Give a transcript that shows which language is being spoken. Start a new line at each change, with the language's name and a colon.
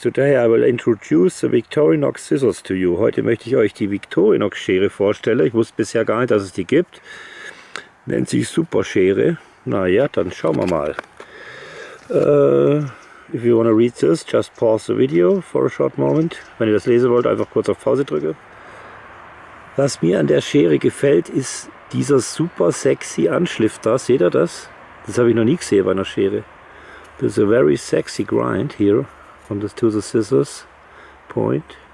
English: Today I will introduce the Victorinox Scissors to you.
German: Heute möchte ich euch die Victorinox-Schere vorstellen. Ich wusste bisher gar nicht, dass es die gibt. Nennt sich Superschere. Na ja, dann schauen wir mal.
English: If you want to read this, just pause the video for a short moment.
German: Wenn ihr das lesen wollt, einfach kurz auf Pause drücken. Was mir an der Schere gefällt, ist dieser super sexy Anschliff da. Seht ihr das? Das habe ich noch nie gesehen bei einer Schere.
English: There's a very sexy grind here on the to the scissors point.